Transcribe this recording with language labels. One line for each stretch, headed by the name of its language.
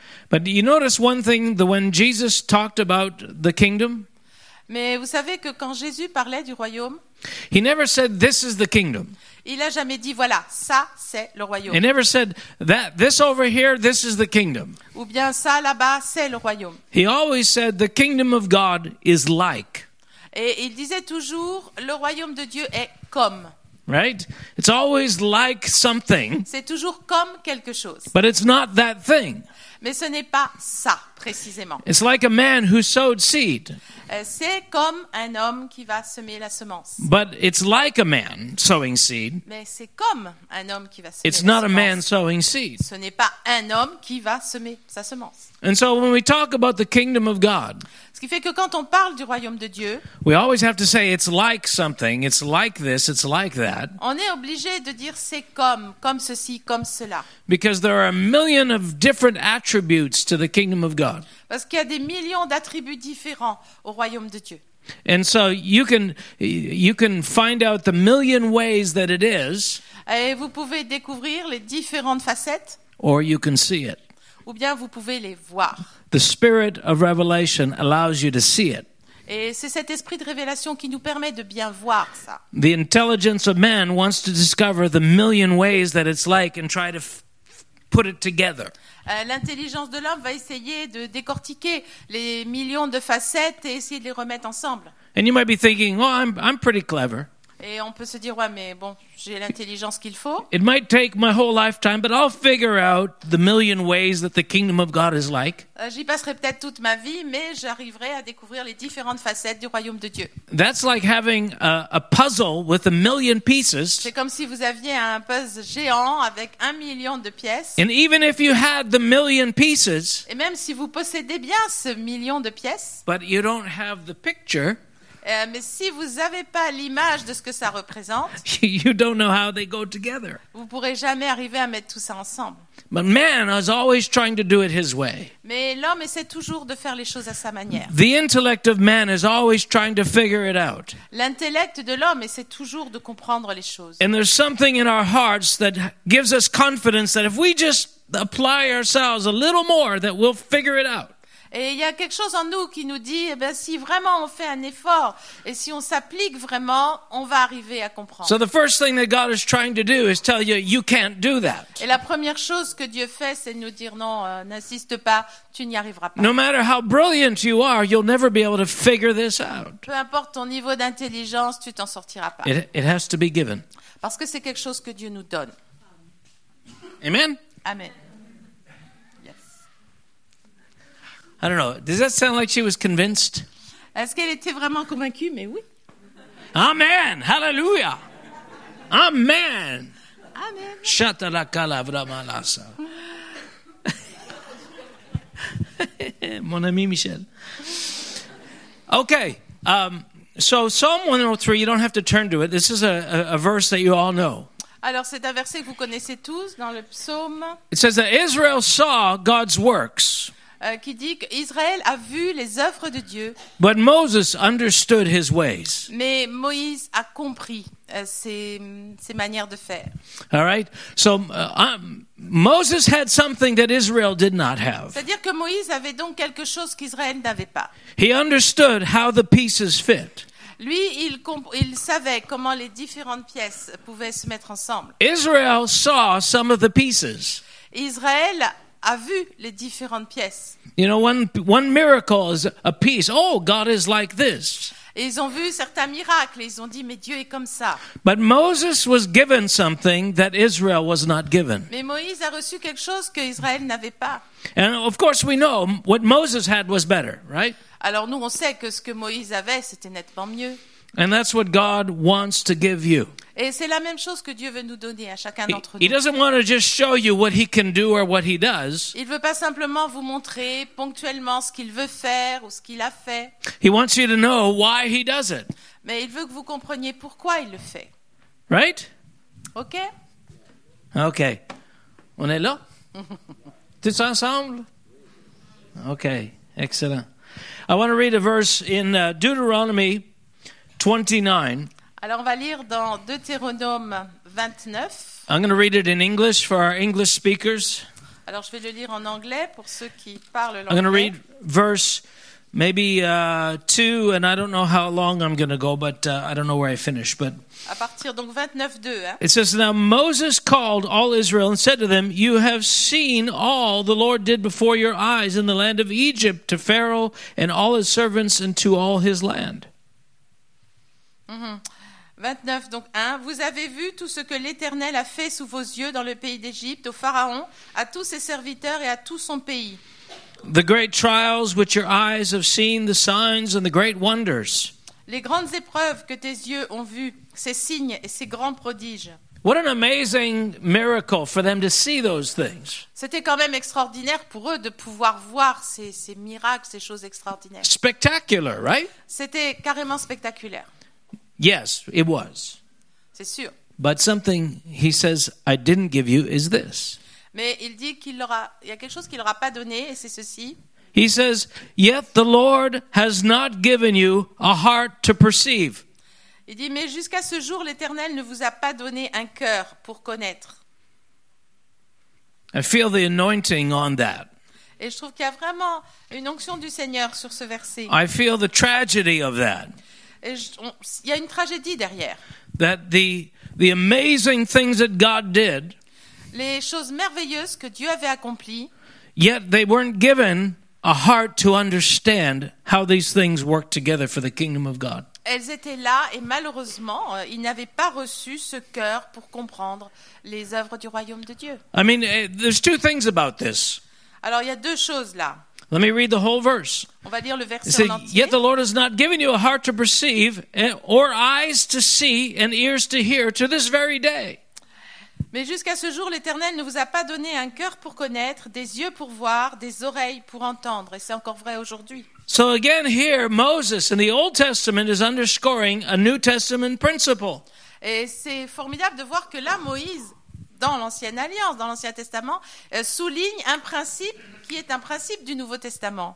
English: But you notice one thing, when Jesus talked about the kingdom?
French: Mais vous savez que quand Jésus parlait du royaume,
English: he never said, "This is the kingdom."
French: Il a jamais dit voilà, ça c'est le royaume.
English: He never said that this over here, this is the kingdom.
French: Ou bien ça là-bas, c'est le royaume.
English: He always said the kingdom of God is like.
French: Et il disait toujours le royaume de Dieu est comme.
English: Right? It's always like something.
French: C'est toujours comme quelque chose.
English: But it's not that thing.
French: Mais ce n'est pas ça précisément.
English: It's like a man who sowed seed.
French: C'est comme un homme qui va semer la semence.
English: But it's like a man sowing seed.
French: Mais c'est comme un homme qui va semer
English: it's
French: la semence.
English: It's not a man sowing seed.
French: Ce n'est pas un homme qui va semer sa semence.
English: And so when we talk about the kingdom of God,
French: ce qui fait que quand on parle du royaume de Dieu,
English: we always have to say it's like something, it's like this, it's like that.
French: On est obligé de dire c'est comme ceci, comme cela.
English: Because there are a million of different attributes to the kingdom of God.
French: Parce qu'il y a des millions d'attributs différents au royaume de Dieu.
English: And so you can find out the million ways that it is.
French: Et vous pouvez découvrir les différentes facettes.
English: Or you can see it.
French: Ou bien vous pouvez les voir.
English: The spirit of revelation allows you to see it.
French: Et c'est cet esprit de révélation qui nous permet de bien voir ça.
English: The intelligence of man wants to discover the million ways that it's like and try to put it together.
French: L'intelligence de l'homme va essayer de décortiquer les millions de facettes et essayer de les remettre ensemble.
English: And you might be thinking, "Oh, I'm pretty clever."
French: Et on peut se dire, ouais, mais bon, j'ai l'intelligence qu'il faut.
English: It might take my whole lifetime, but I'll figure out the million ways that the kingdom of God is like.
French: J'y passerai peut-être toute ma vie, mais j'arriverai à découvrir les différentes facettes du royaume de Dieu.
English: That's like having a puzzle with a million pieces.
French: C'est comme si vous aviez un puzzle géant avec un million de pièces.
English: And even if you had the million pieces.
French: Et même si vous possédez bien ce million de pièces.
English: But you don't have the picture.
French: Mais si vous n'avez pas l'image de ce que ça représente,
English: you don't know how they go together.
French: Vous ne pourrez jamais arriver à mettre tout ça ensemble.
English: But man is always trying to do it his way.
French: Mais l'homme essaie toujours de faire les choses à sa manière.
English: The intellect of man is always trying to figure it out.
French: L'intellect de l'homme essaie toujours de comprendre les choses.
English: And there's something in our hearts that gives us confidence that if we just apply ourselves a little more, that we'll figure it out.
French: Et il y a quelque chose en nous qui nous dit, eh ben, si vraiment on fait un effort et si on s'applique vraiment, on va arriver à comprendre.
English: So the first thing that God is trying to do is tell you, you can't do that.
French: Et la première chose que Dieu fait, c'est nous dire non, n'insiste pas, tu n'y arriveras pas.
English: No matter how brilliant you are, you'll never be able to figure this out.
French: Peu importe ton niveau d'intelligence, tu t'en sortiras pas.
English: It has to be given.
French: Parce que c'est quelque chose que Dieu nous donne.
English: Amen.
French: Amen.
English: I don't know. Does that sound like she was convinced?
French: Est-ce qu'elle était vraiment convaincue? Mais oui.
English: Amen. Hallelujah. Amen.
French: Amen. Shatala kalavra malasa. Mon ami Michel. Okay.
English: So Psalm 103, you don't have to turn to it. This is a verse that you all know.
French: Alors c'est un verset que vous connaissez tous dans le psaume.
English: It says that Israel saw God's works.
French: Qui dit qu'Israël a vu les œuvres de Dieu.
English: But Moses understood his ways.
French: Mais Moïse a compris ses manières de faire.
English: All right. So Moses had something that Israel did not have.
French: C'est-à-dire que Moïse avait donc quelque chose qu'Israël n'avait pas.
English: He understood how the pieces fit.
French: Lui, il savait comment les différentes pièces pouvaient se mettre ensemble.
English: Israel saw some of the pieces.
French: Israël a vu les différentes pièces.
English: You know, one miracle is a piece. Oh, God is like this.
French: Et ils ont vu certains miracles. Ils ont dit, mais Dieu est comme ça.
English: But Moses was given something that Israel was not given.
French: Mais Moïse a reçu quelque chose que Israël n'avait pas.
English: And of course, we know what Moses had was better, right?
French: Alors nous, on sait que ce que Moïse avait, c'était nettement mieux.
English: And that's what God wants to give you.
French: Et c'est la même chose que Dieu veut nous donner à chacun d'entre nous.
English: He doesn't want to just show you what he can do or what he does.
French: Il veut pas simplement vous montrer ponctuellement ce qu'il veut faire ou ce qu'il a fait.
English: He wants you to know why he does it.
French: Mais il veut que vous compreniez pourquoi il le fait.
English: Right? Okay.
French: Okay. On est là? Tous ensemble? Okay. Excellent.
English: I want to read a verse in Deuteronomy 29.
French: Alors on va lire dans Deutéronome 29.
English: I'm going to read it in English for our English speakers.
French: Alors je vais le lire en anglais pour ceux qui parlent l'anglais.
English: I'm going to read verse Maybe two, and I don't know how long I'm going to go, but I don't know where I finish. But
French: à partir, donc 29:2, hein?
English: It says, now Moses called all Israel and said to them, you have seen all the Lord did before your eyes in the land of Egypt to Pharaoh and all his servants and to all his land. Mm-hmm.
French: 29, donc 1, vous avez vu tout ce que l'Éternel a fait sous vos yeux dans le pays d'Égypte, au Pharaon, à tous ses serviteurs et à tout son pays.
English: The great trials which your eyes have seen, the signs and the great wonders.
French: Les grandes épreuves que tes yeux ont vues, ces signes et ces grands prodiges.
English: What an amazing miracle for them to see those things.
French: C'était quand même extraordinaire pour eux de pouvoir voir ces miracles, ces choses extraordinaires.
English: Spectacular, right?
French: C'était carrément spectaculaire.
English: Yes, it was.
French: C'est sûr.
English: But something he says I didn't give you is this.
French: Mais il dit qu'il leur a, il y a quelque chose qu'il leur a pas donné et c'est ceci.
English: He says, yet the Lord has not given you a heart to perceive.
French: Il dit, mais jusqu'à ce jour, l'Éternel ne vous a pas donné un cœur pour connaître.
English: I feel the anointing on that.
French: Et je trouve qu'il y a vraiment une onction du Seigneur sur ce verset.
English: I feel the tragedy of that.
French: Et il y a une tragédie derrière.
English: That the amazing things that God did.
French: Les choses merveilleuses que Dieu avait accomplies.
English: Yet they weren't given a heart to understand how these things work together for the kingdom of God.
French: Elles étaient là et malheureusement, ils n'avaient pas reçu ce cœur pour comprendre les œuvres du royaume de Dieu.
English: I mean, there's two things about this.
French: Alors il y a deux choses là.
English: Let me read the whole verse.
French: On va lire le verset en entier.
English: Yet the Lord has not given you a heart to perceive, or eyes to see, and ears to hear to this very day.
French: Mais jusqu'à ce jour, l'Éternel ne vous a pas donné un cœur pour connaître, des yeux pour voir, des oreilles pour entendre. Et c'est encore vrai aujourd'hui.
English: So again here, Moses in the Old Testament is underscoring a New Testament principle.
French: Et c'est formidable de voir que là, Moïse, dans l'Ancienne Alliance, dans l'Ancien Testament, souligne un principe qui est un principe du Nouveau Testament.